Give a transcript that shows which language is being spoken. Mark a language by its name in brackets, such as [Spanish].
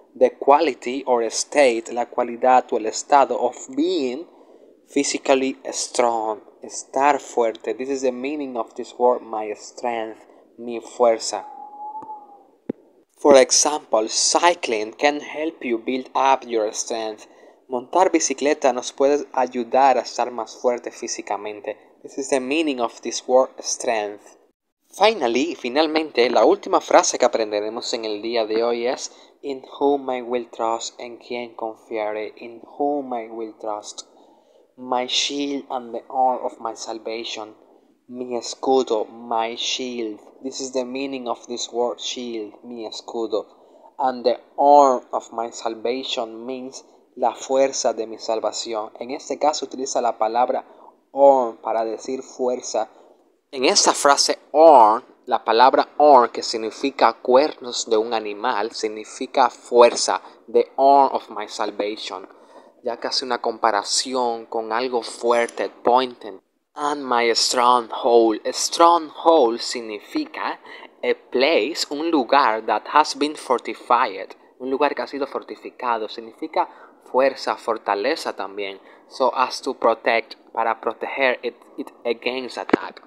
[English] The quality or state, [Spanish] la cualidad o el estado [English] of being physically strong. [Spanish] Estar fuerte. [English] This is the meaning of this word, my strength, [Spanish] mi fuerza. [English] For example, cycling can help you build up your strength. [Spanish] Montar bicicleta nos puede ayudar a estar más fuerte físicamente. [English] This is the meaning of this word, strength. [Spanish] Finally, finalmente, la última frase que aprenderemos en el día de hoy es [English] In whom I will trust, [Spanish] en quien confiaré, [English] in whom I will trust. My shield and the horn of my salvation. [Spanish] Mi escudo, [English] my shield. This is the meaning of this word, shield, [Spanish] mi escudo. [English] And the horn of my salvation means [Spanish] la fuerza de mi salvación. En este caso utiliza la palabra horn para decir fuerza. En esta frase horn, la palabra horn que significa cuernos de un animal, significa fuerza, [English] the horn of my salvation. [Spanish] Ya que hace una comparación con algo fuerte, pointing. [English] And my stronghold. Stronghold significa a place, [Spanish] un lugar [English] that has been fortified. [Spanish] Un lugar que ha sido fortificado. Significa fuerza, fortaleza también. [English] So as to protect, [Spanish] para proteger [English] it against attack.